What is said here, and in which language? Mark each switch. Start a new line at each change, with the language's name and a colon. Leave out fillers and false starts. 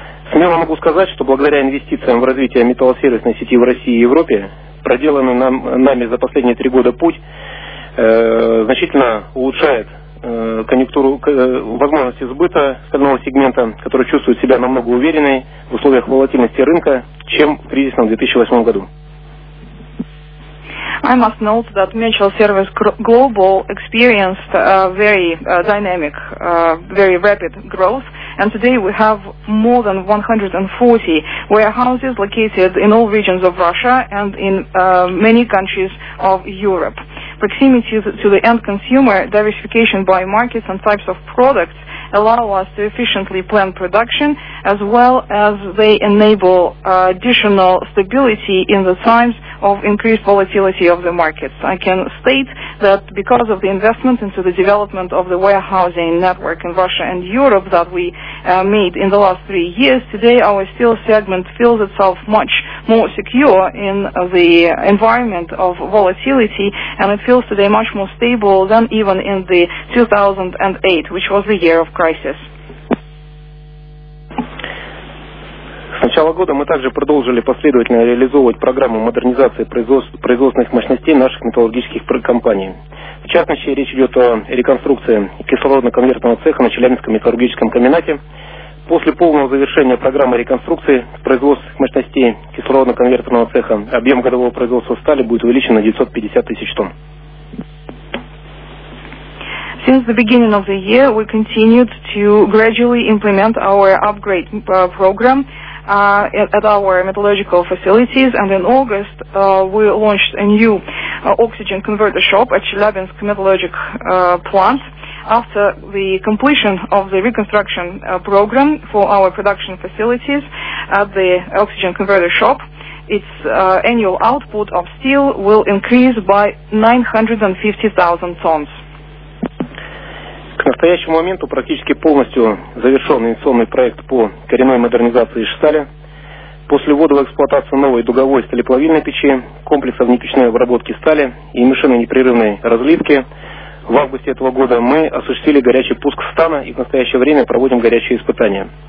Russian: Смело могу сказать, что благодаря инвестициям в развитие металлосервисной сети в России и Европе, проделанный нами за последние 3 года путь, значительно улучшает конъюнктуру, возможности сбыта стального сегмента, который чувствует себя намного увереннее в условиях волатильности рынка, чем в кризисном 2008 году.
English: I must note that Mutual Service Global experienced a very dynamic, very rapid growth, and today we have more than 140 warehouses located in all regions of Russia and in many countries of Europe. Proximity to the end consumer, diversification by markets and types of products allow us to efficiently plan production, as well as they enable additional stability in the times of increased volatility of the markets. I can state that because of the investment into the development of the warehousing network in Russia and Europe that we made in the last 3 years, today our steel segment feels itself much more secure in the environment of volatility, and it feels today much more stable than even in the 2008, which was the year of crisis.
Russian: С начала года мы также продолжили последовательно реализовывать программу модернизации производственных мощностей наших металлургических компаний. В частности, речь идет о реконструкции кислородно-конвертного цеха на Челябинском металлургическом комбинате. После полного завершения программы реконструкции производственных мощностей кислородно-конвертного цеха объем годового производства стали будет увеличен на 950 тысяч тонн.
English: Since the beginning of the year, we continued to gradually implement our upgrade program at our metallurgical facilities, and in August we launched a new oxygen converter shop at Chelyabinsk metallurgic plant. After the completion of the reconstruction program for our production facilities at the oxygen converter shop, its annual output of steel will increase by 950,000 tons.
Russian: К настоящему моменту практически полностью завершен инвестиционный проект по коренной модернизации Шестали. После ввода в эксплуатацию новой дуговой сталеплавильной печи, комплексов внепечной обработки стали и мышиной непрерывной разливки, в августе этого года мы осуществили горячий пуск стана и в настоящее время проводим горячие испытания.